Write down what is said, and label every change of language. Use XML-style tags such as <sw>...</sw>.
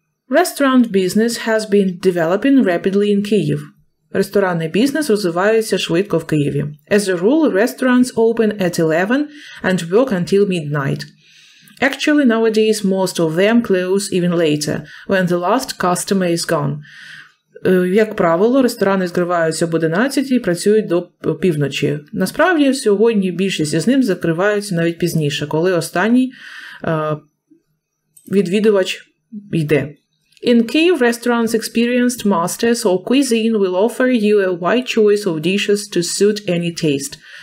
<en>Restaurant business has been developing rapidly in Kyiv.</en> <uk>Ресторанний бізнес розвивається швидко в Києві.</uk> <en>As a rule, restaurants open at 11 and work until midnight. Actually, nowadays, most of them close even later, when the last customer is gone.</en> <uk>Як правило, ресторани закриваються об 11 і працюють до півночі. Насправді, сьогодні більшість із них закриваються навіть пізніше, коли останній відвідувач йде.</uk> <en>In Kyiv, restaurants experienced masters or cuisine will offer you a wide choice of dishes to suit any taste.</en>